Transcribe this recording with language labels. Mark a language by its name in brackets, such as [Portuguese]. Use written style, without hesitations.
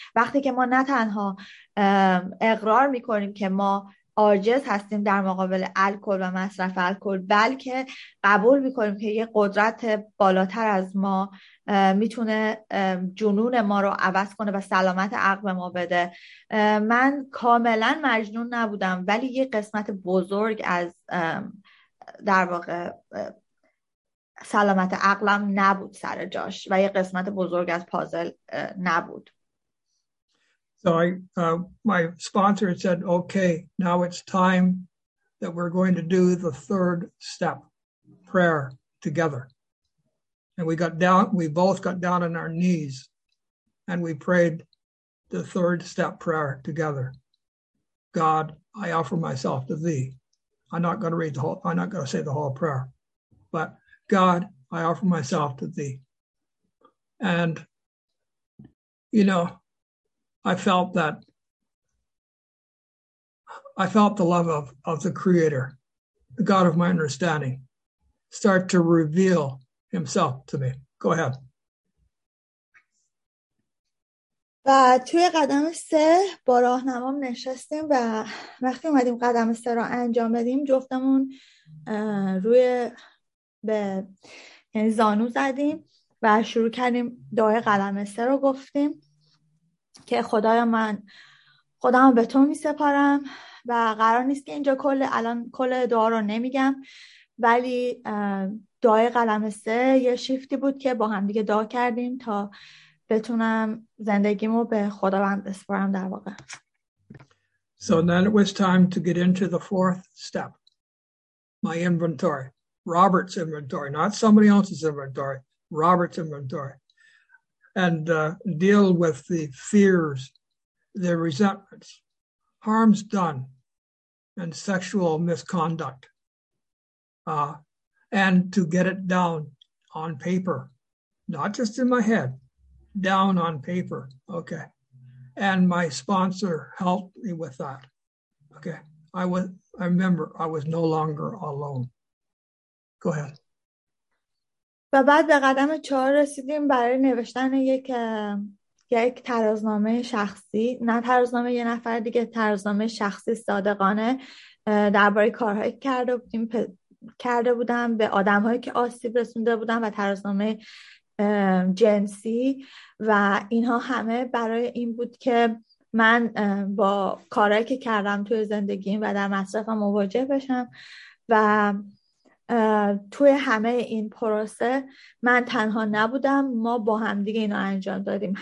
[Persian] وقتی که ما نه تنها اقرار میکنیم که ما عاجز هستیم در مقابل الکل و مصرف الکل، بلکه قبول میکنیم که یه قدرت بالاتر از ما میتونه جنون ما رو عوض کنه و سلامت عقل ما بده. من کاملا مجنون نبودم ولی یه قسمت بزرگ از در واقع سلامت عقلم نبود سر جاش و یه قسمت بزرگ از پازل نبود. [English] So my sponsor said, okay, now it's time that we're going to do the third step, prayer, together. And we both got down on our knees and we prayed the third step prayer together. God, I offer myself to thee. I'm not going to say the whole prayer, but God, I offer myself to thee. And, you know, I felt the love of the Creator, the God of my understanding, start to reveal himself to me. Go ahead. [Persian] و توی قدم سه با راهنمام نشستیم و وقتی اومدیم قدم سه رو انجام بدیم، جفتمون روی به یعنی زانو زدیم و شروع کردیم دعای قدم سه رو گفتیم که خدایا من خودم رو به تو می سپارم و قرار نیست که اینجا کل دعا رو نمیگم، ولی دعای قلم سه یه شیفتی بود که با هم دیگه دعا کردیم تا بتونم زندگیمو به خداوند بسپارم در واقع. [English] So then it was time to get into the fourth step. My inventory. Robert's inventory. Not somebody else's inventory. Robert's inventory. And deal with the fears, the resentments, harms done, and sexual misconduct. And to get it down on paper. Not just in my head. Down on paper. Okay. And my sponsor helped me with that. Okay. I remember I was no longer alone. Go ahead. [Persian] و بعد به قدم چهار رسیدیم برای نوشتن یک ترازنامه شخصی، نه ترازنامه یه نفر دیگه، ترازنامه شخصی صادقانه درباره کارهایی کرده بودم به آدمهایی که آسیب رسونده بودم و ترازنامه جنسی، و اینها همه برای این بود که من با کارهایی که کردم توی زندگیم و در مصرفم مواجه بشم و توی همه این پروسه من تنها نبودم، ما با هم دیگه اینو انجام دادیم.